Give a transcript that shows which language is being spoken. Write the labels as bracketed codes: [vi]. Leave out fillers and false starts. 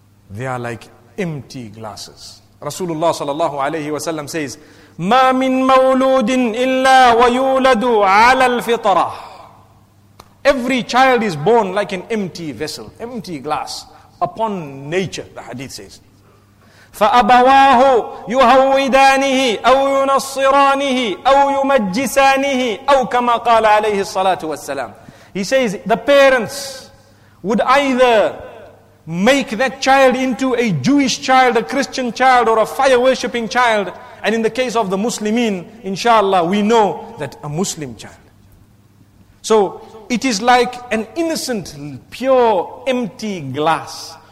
[en] They are like empty glasses. Rasulullah sallallahu alayhi wa sallam says, [ar] مَا مِن مَوْلُودٍ إِلَّا وَيُولَدُ عَلَى الْفِطَرَةِ [en] Every child is born like an empty vessel, empty glass, upon nature, the hadith says. [ar] فأبواه يهودانه أو ينصرانه أو يمجسانه أو كما قال عليه الصلاة والسلام. [en] He says the parents would either make that child into a Jewish child, a Christian child, or a fire worshipping child. And in the case of the Muslimin, inshallah, we know that a Muslim child. So it is like an innocent, pure, empty glass.